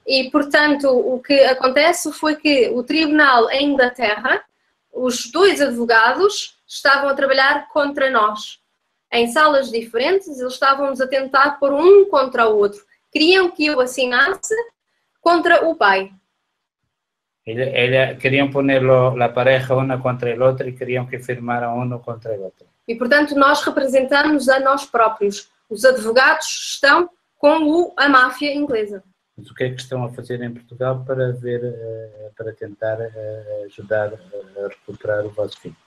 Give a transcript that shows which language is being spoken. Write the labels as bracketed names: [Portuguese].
[Portuguese] E, portanto, o que acontece foi que o tribunal em Inglaterra, os dois advogados estavam a trabalhar contra nós. Em salas diferentes, eles estavam-nos a tentar pôr um contra o outro. Queriam que eu assinasse contra o pai. [Spanish] Ella querían ponerlo la pareja una contra el otro y querían que firmara uno contra el otro. Y por tanto, [Portuguese] nós representamos a nós próprios. Os advogados estão com a máfia inglesa. O que é que estão a fazer em Portugal para ver, para tentar ajudar a recuperar o vosso filho?